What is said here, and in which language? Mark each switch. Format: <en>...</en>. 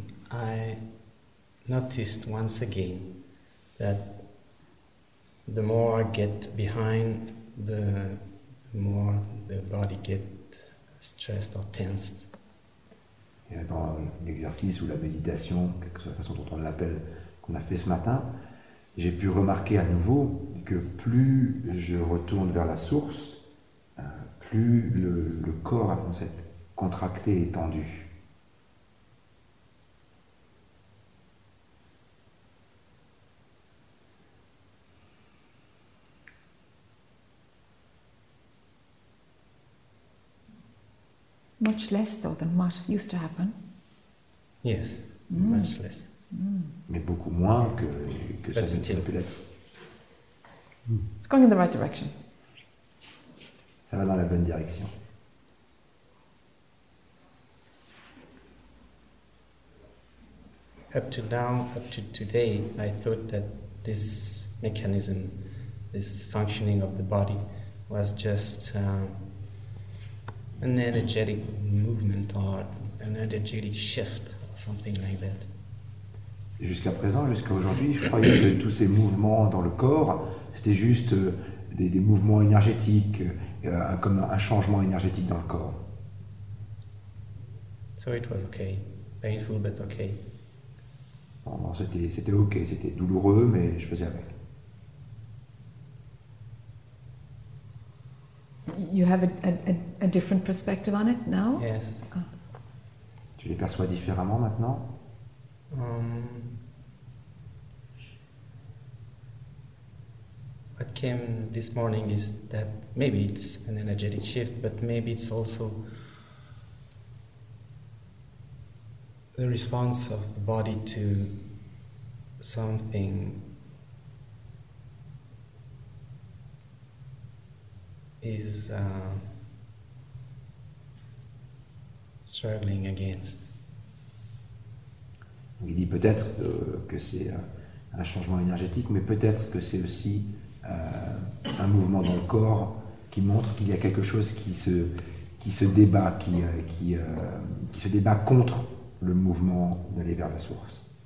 <en>I noticed once again that the more I get behind, the more the body gets stressed or tensed.</en> <fr>Et dans l'exercice ou la méditation, quelle que soit la façon dont on l'appelle, qu'on a fait ce matin, j'ai pu remarquer à nouveau que plus je retourne vers la source, plus le corps a tendance à être contracté et tendu.</fr> <en>Much less though than what used to happen. Yes, much less.</en> <fr>Mais beaucoup moins que ça ne serait plus l'être.</fr> <en>It's going in the right direction.</en> <fr>Ça va dans la bonne direction.</fr> <en>Up to now, up to today, I thought that this mechanism, this functioning of the body, was just an energetic movement or an energetic shift or something like that.</en> <fr>Jusqu'à présent, jusqu'à aujourd'hui, je croyais que tous ces mouvements dans le corps, c'était juste des mouvements énergétiques, comme un changement énergétique dans le corps.</fr> <en>So it was okay. Painful, but okay.</en> <fr>Non, c'était ok, c'était douloureux, mais je faisais avec.</fr> <en>You have a different perspective on it now? Yes.</en> <fr>Tu les perçois différemment maintenant?</fr> <en>What came this morning is that maybe it's an energetic shift, but maybe it's also the response of the body to something is struggling against.</en> <fr>Il dit peut-être que c'est un changement énergétique, mais peut-être que c'est aussi un mouvement dans le corps qui montre qu'il y a quelque chose qui se débat contre le mouvement d'aller vers la source.</fr>